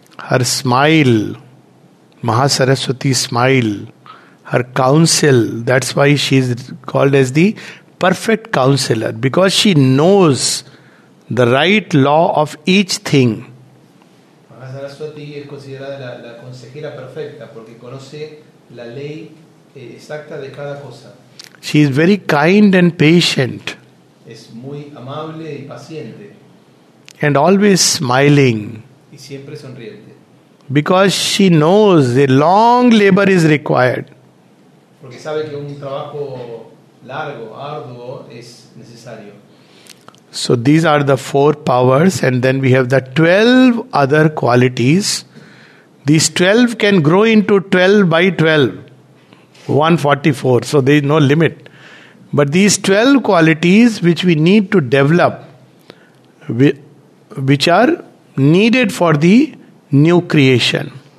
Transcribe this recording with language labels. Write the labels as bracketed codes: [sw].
[en] Her smile, Mahasaraswati's smile, her counsel, that's why she is called as the perfect counselor, because she knows the right law of each thing. [es] Mahasaraswati es considerada la consejera perfecta porque conoce la ley exacta de cada cosa. [en] She is very kind and patient. [es] Es muy amable y paciente. [en] And always smiling. [es] Y siempre sonriente. [en] Because she knows a long labor is required. [es] Porque sabe que un trabajo largo, arduo, es necesario. [en] So these are the four powers, and then we have the 12 other qualities. These 12 can grow into 12 by 12, 144, so there is no limit. But these 12 qualities which we need to develop, which are needed for the new creation.